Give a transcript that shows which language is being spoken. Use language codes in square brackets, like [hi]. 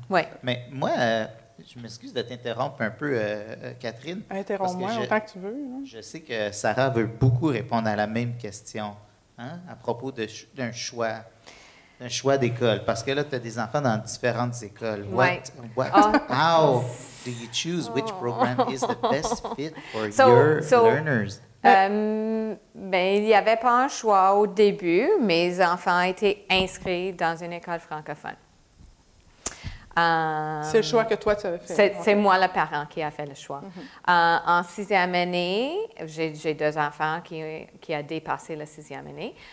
[fr] Oui. Mais moi, je m'excuse de t'interrompre un peu, Catherine. Interromps-moi autant que tu veux. Hein? Je sais que Sarah veut beaucoup répondre à la même question à propos d'un choix d'école. Parce que là, tu as des enfants dans différentes écoles. Oui. [en] How do you choose which program is the best fit for your learners? [fr] Mais il n'y avait pas un choix au début. Mes enfants étaient inscrits dans une école francophone. C'est le choix que toi, tu avais fait. C'est moi, le parent, qui a fait le choix. En sixième année, j'ai deux enfants qui a dépassé la sixième année.